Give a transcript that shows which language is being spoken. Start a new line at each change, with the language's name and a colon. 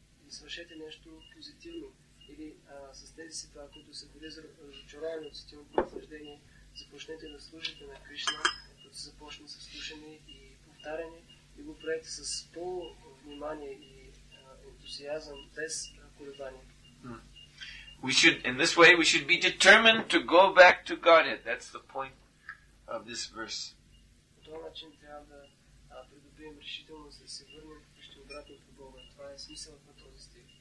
Bulgarian: Свършете нещо позитивно или с тези ситуации, които са били разочаровани от сетивното наслаждение, започнете да служите на Кришна, като се започне с слушане и повтаряне и го правете с пълно внимание и ентусиазъм без колебание.
English: We should, in this way, we should be determined to go back to Godhead. That's the point of this verse.
Bulgarian: По този начин трябва да придобием решителност да се върнем ще обратно по Бога. Това е смисълът на този стих.